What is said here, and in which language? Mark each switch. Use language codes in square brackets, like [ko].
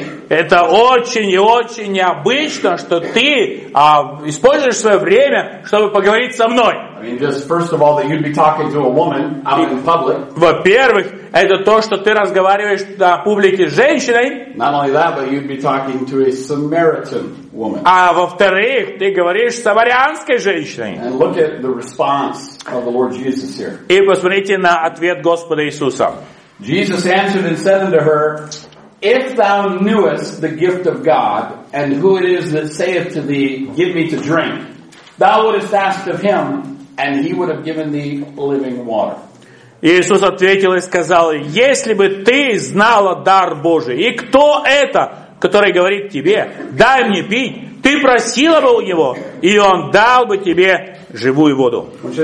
[ru] Это очень и очень необычно, что ты используешь свое время, чтобы поговорить со мной. [en] I mean, just first of all, that you'd be talking to a woman out in public. [ru] Во-первых, это то, что ты разговариваешь на публике с женщиной. [en] Not only that, but you'd be talking to a Samaritan woman. [ru] А во-вторых, ты говоришь с самарянской женщиной. [en] And look at the response of the Lord Jesus here. [ru] И посмотрите на ответ Господа Иисуса. [en] Jesus answered and said unto her, if thou knewest the gift of God, and who it is that saith to thee, give me to drink, thou wouldest ask of him, and he would have given thee living water. [ru] Иисус ответил и сказал, если бы ты знала дар Божий, и кто это, который говорит тебе, дай мне пить, ты просила бы у него, и он дал бы тебе живую воду.